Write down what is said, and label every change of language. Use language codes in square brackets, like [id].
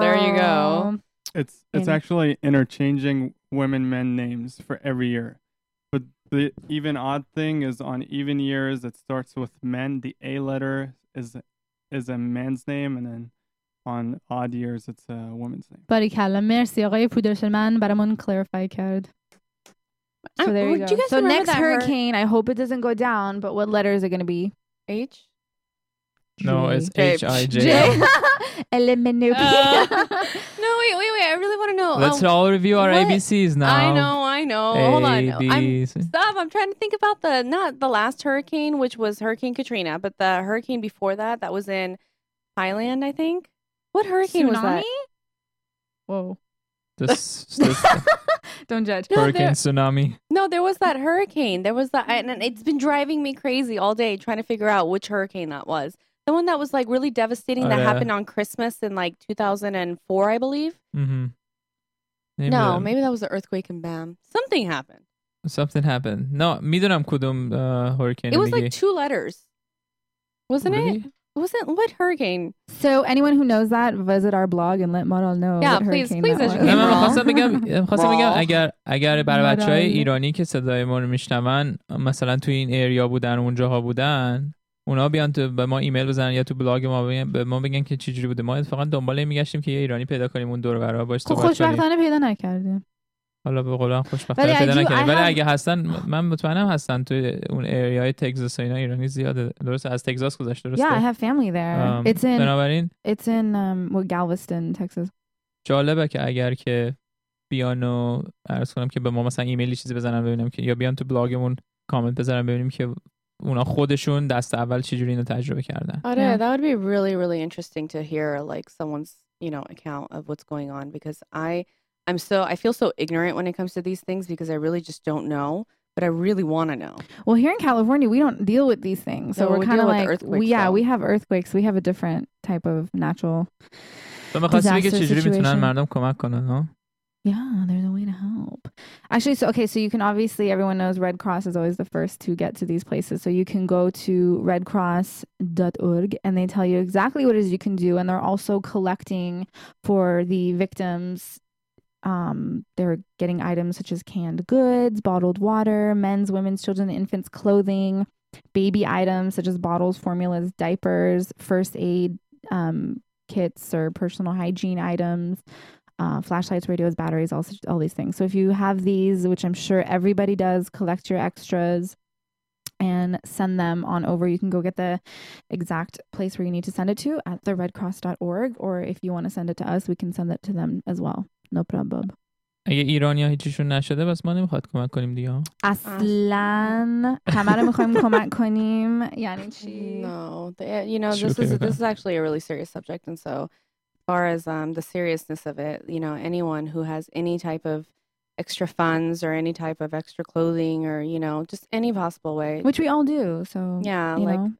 [en] There you go. It's actually interchanging women men names for every year. But the even odd thing is on even years it starts with men. The A letter is a man's name, and then on odd years it's a woman's name. [fa] Barikala, merci, آقای پودرشل من برامون clarify کرد. [en] So there you go. So next hurricane, I hope it doesn't go down. But what letters are going to be? H. No, it's H-I-J. No, wait. I really want to know. Let's all review our ABCs now. I know. ABCs. Hold on. I'm trying to think about not the last hurricane, which was Hurricane Katrina, but the hurricane before that was in Thailand, I think. What hurricane Was that? Whoa. This don't judge. Hurricane tsunami. No, there was that hurricane. There was that, and it's been driving me crazy all day trying to figure out which hurricane that was. The one that was like really devastating happened on Christmas in like 2004, I believe. Mm-hmm. Maybe that was the earthquake and bam. Something happened. [fa] No, میدونم کدوم hurricane. [en] It was like two letters. Wasn't really? It? Wasn't what hurricane? So anyone who knows that, visit our blog and let Maral know. Yeah, please educate. [fa] خواستم بگم اگر برای بچهای ایرانی که صدای ما رو میشنون مثلا تو این ایریا بودن و اونجاها بودن، اونا بیان تو به ما ایمیل بزنن یا تو بلاگ ما بگن که چی جوری بوده. ما اتفاقا دنبال میگشتیم که یه ایرانی پیدا کنیم اون دور برا باش تو خوشبختانه پیدا نکردیم. حالا به قولم خوشبختانه پیدا نکردیم. ولی اگه هستن من مطمئنم هستن تو اون ایریای تگزاس اینا ایرانی زیاده. درست از تگزاس گذشته درست. [en] Yeah, I have family there. It's in Galveston, Texas. [fa] جالبه که اگر که بیان و عرض کنم که به ما مثلا ایمیلی چیزی بزنن ببینم که یا بیان تو بلاگمون کامنت بزنن ببینیم که اونا خودشون دست اول چجوری اینو تجربه کردن. [en] آره yeah. That would be really really interesting to hear like someone's you know account of what's going on because I feel so ignorant when it comes to these things because I really just don't know but I really want to know. Well here in California we don't deal with these things so no, we're kind of like we, yeah though. We have earthquakes we have a different type of natural [fa] تو میخواستی بگی چجوری میتونن مردم کمک کنن ها؟ [en] Yeah, there's a way to help. Actually, so you can obviously, everyone knows Red Cross is always the first to get to these places. So you can go to redcross.org and they tell you exactly what it is you can do. And they're also collecting for the victims. They're getting items such as canned goods, bottled water, men's, women's, children, infants, clothing, baby items such as bottles, formulas, diapers, first aid kits or personal hygiene items. Flashlights, radios, batteries, all these things. So if you have these, which I'm sure everybody does, collect your extras and send them on over. You can go get the exact place where you need to send it to at theredcross.org, or if you want to send it to us, we can send it to them as well. No problem. [fa] اگه ایرانی ها هیچیشون نشده بس ما نمیخواد کمک کنیم دیگه. اصلا همه رو میخواییم کمک کنیم. یعنی چی؟ [en] No, you know, this is actually a really serious subject, and so far as the seriousness of it, you know, anyone who has any type of extra funds or any type of extra clothing or, you know, just any possible way. Which we all do, so, yeah, you like,